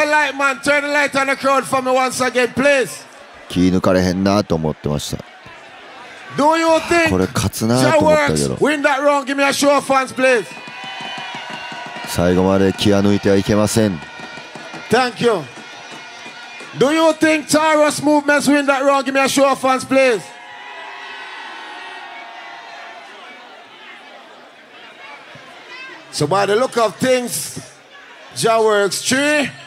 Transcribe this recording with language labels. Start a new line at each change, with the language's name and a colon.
English: Lightman, turn the light on the crowd for me once again, please
Japanese: 気抜かれへんなと思ってました
English: Do you think
Japanese: これ勝つなと思ったけど
English: Win that round, give me a show of hands, please
Japanese: 最後まで気が抜いてはいけません
English: Thank you Do you think Taurus movements win that round, give me a show of hands, please So by the look of thingsJAHWORKS 3